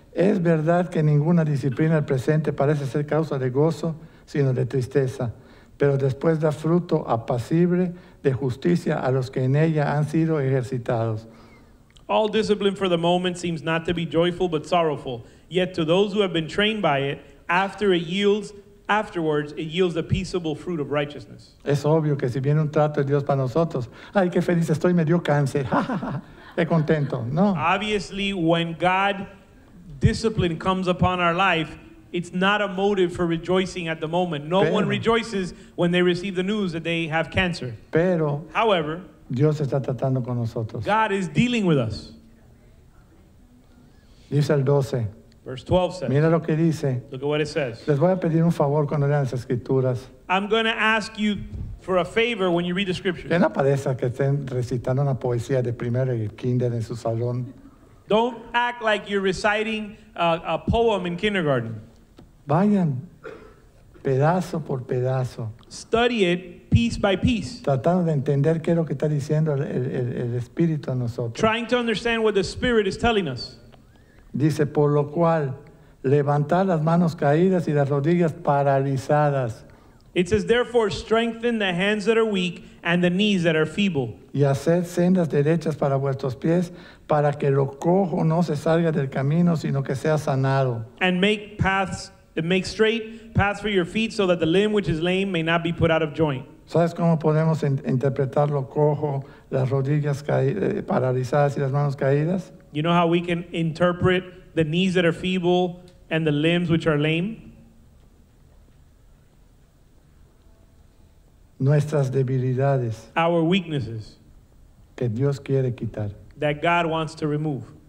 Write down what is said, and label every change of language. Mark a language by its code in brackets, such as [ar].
[es] es verdad que ninguna disciplina al presente parece ser causa de gozo, sino de tristeza, pero después da fruto apacible de justicia a los que en ella han sido ejercitados. [en] All discipline for the moment seems not to be joyful but sorrowful, yet to those who have been trained by it, afterwards, it yields the peaceable fruit of righteousness. [es] Es obvio que si viene un trato de Dios para nosotros, ay, qué feliz estoy, me dio cáncer. Qué contento, ¿no? [en] Obviously, when God discipline comes upon our life, it's not a motive for rejoicing at the moment. [es] No pero, [en] one rejoices when they receive the news that they have cancer. [es] Pero, [en] however, [es] Dios está tratando con nosotros. [en] God is dealing with us. [es] Dice el 12. [en] Verse 12 says. [es] Mira lo que dice. [en] Look at what it says. [es] Les voy a pedir un favor cuando lean las escrituras. [en] I'm going to ask you for a favor when you read the scriptures. [es] ¿Qué no parece que estén recitando una poesía de primero y kinder en su salón? [en] Don't act like you're reciting a poem in kindergarten. [es] Vayan pedazo por pedazo. [en] Study it piece by piece. [es] Tratando de entender qué es lo que está diciendo el Espíritu a nosotros. [en] Trying to understand what the Spirit is telling us. [es] Dice, por lo cual, levantar las manos caídas y las rodillas paralizadas. [en] It says, therefore, strengthen the hands that are weak and the knees that are feeble. [es] Y hacer sendas derechas para vuestros pies, para que lo cojo no se salga del camino, sino que sea sanado. [en] And make paths, make straight paths for your feet, so that the limb which is lame may not be put out of joint. [es] ¿Sabes cómo podemos interpretar lo cojo, las rodillas paralizadas y las manos caídas? [en] You know how we can interpret the knees that are feeble and the limbs which are lame? [es] Nuestras debilidades. [en] Our weaknesses. [es] Que Dios quiere quitar. [en] That God wants to remove.